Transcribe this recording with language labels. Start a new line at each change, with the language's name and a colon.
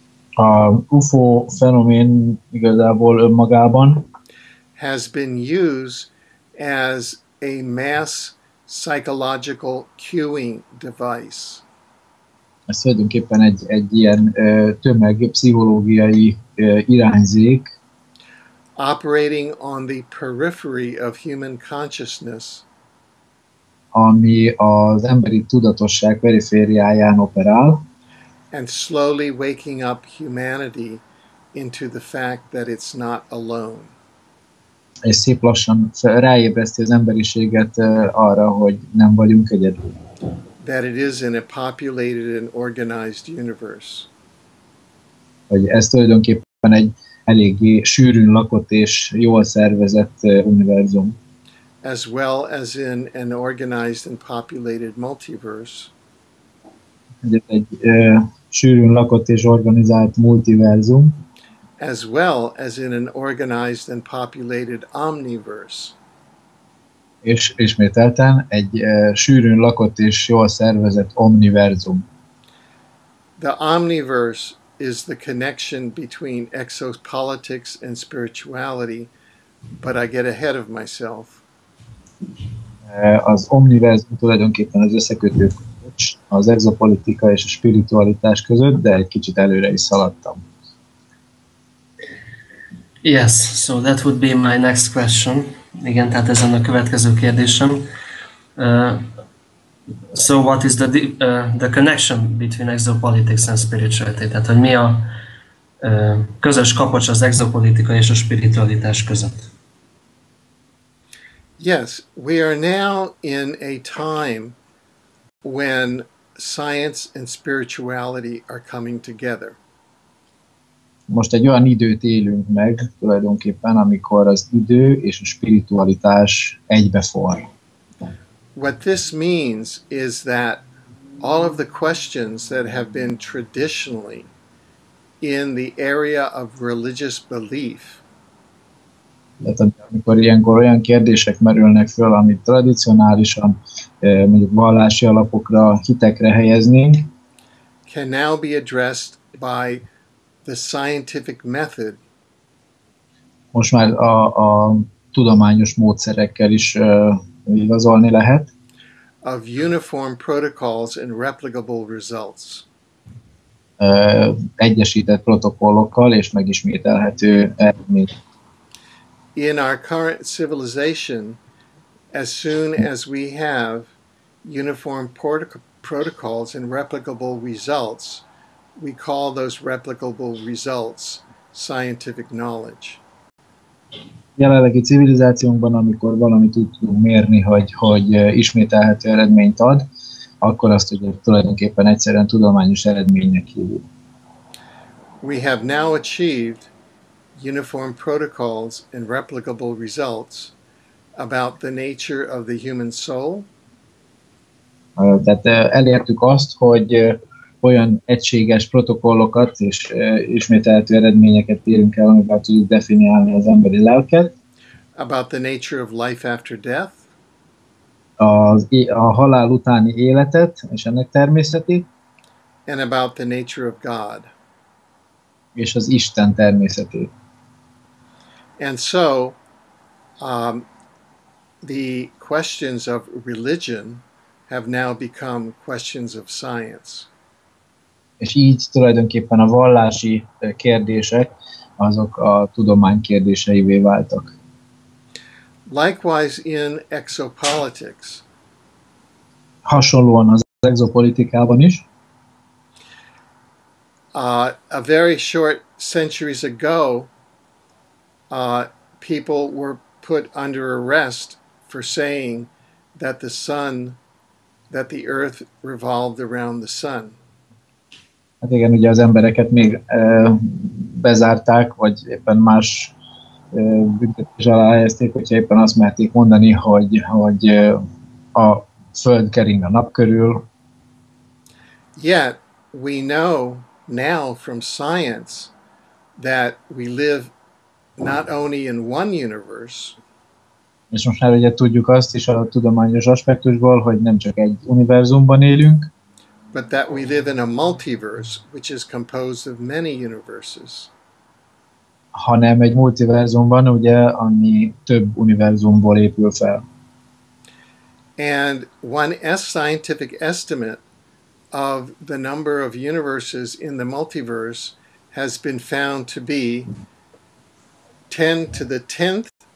Hungarian: A UFO fenomén igazából önmagában
English: has been used as a mass psychological cueing device.
Hungarian: Ez tulajdonképpen egy ilyen tömeg pszichológiai irányzék.
English: Operating on the periphery of human consciousness.
Hungarian: Ami az emberi tudatosság perifériáján operál.
English: And slowly waking up humanity into the fact that it's not alone.
Hungarian: És szép lassan ráébreszti az emberiséget arra, hogy nem vagyunk egyedül.
English: That it is in a populated and organized universe.
Hungarian: Hogy ez tulajdonképpen egy eléggé sűrűn lakott és jól szervezett univerzum.
English: As well as in an organized and populated multiverse.
Hungarian: Egy sűrűn lakott és organizált multiverzum.
English: As well as in an organized and populated omniverse.
Hungarian: És ismételten egy sűrűn lakott és jól szervezett omniverzum.
English: The omniverse is the connection between exopolitics and spirituality, but I get ahead of myself.
Hungarian: Az omniverzum tulajdonképpen az összekötő kulcs az exopolitika és a spiritualitás között, de egy kicsit előre is szaladtam.
English: Yes, so that would be my next question.
Hungarian: Igen, tehát ezen a következő kérdésem.
English: So what is the connection between exopolitics and spirituality?
Hungarian: Tehát hogy mi a közös kapocs az exopolitika és a spiritualitás között?
English: Yes, we are now in a time when science and spirituality are coming together.
Hungarian: Most egy olyan időt élünk meg tulajdonképpen, amikor az idő és a spiritualitás egybeforr.
English: What this means is that all of the questions that have been traditionally in the area of religious belief.
Hungarian: Amikor ilyenkor olyan kérdések merülnek föl, amit tradicionálisan mondjuk vallási alapokra, hitekre helyeznénk,
English: can now be addressed by the scientific method.
Hungarian: Most már a tudományos módszerekkel is igazolni lehet.
English: Of uniform protocols and replicable results.
Hungarian: Egyesített protokollokkal és megismételhető eredmény.
English: In our current civilization, as soon as we have uniform protocols and replicable results, we call those replicable results scientific knowledge.
Hungarian: Jelenlegi civilizációnkban, amikor valamit úgy tudunk mérni, hogy ismételhető eredményt ad, akkor azt ugye tulajdonképpen egyszerűen tudományos eredménynek hívjuk.
English: We have now achieved uniform protocols and replicable results about the nature of the human soul.
Hungarian: Tehát elértük azt, hogy olyan egységes protokollokat és ismételhető eredményeket írunk el, amivel tudjuk definiálni az emberi lelket.
English: About the nature of life after death.
Hungarian: A halál utáni életet és ennek természetét.
English: And about the nature of God.
Hungarian: És az Isten természetét.
English: And so, the questions of religion have now become questions of science.
Hungarian: És így tulajdonképpen a vallási kérdések azok a tudomány kérdéseivé váltak.
English: Likewise in exopolitics.
Hungarian: Hasonlóan az exopolitikában is.
English: A very short centuries ago, people were put under arrest for saying that the sun, that the earth revolved around the sun.
Hungarian: Hát igen, ugye az embereket még bezárták, vagy éppen más büntetés alá helyezték, hogyha éppen azt merték mondani, hogy a föld kering a nap körül.
English: Yet we know now from science that we live not only in one universe.
Hungarian: És most már ugye tudjuk azt is a tudományos aspektusból, hogy nem csak egy univerzumban élünk,
English: but that we live in a multiverse, which is composed of many universes.
Hungarian: Hanem egy multiverzumban, ugye, ami több univerzumból épül fel.
English: And one scientific estimate of the number of universes in the multiverse has been found to be 10^10^10^7.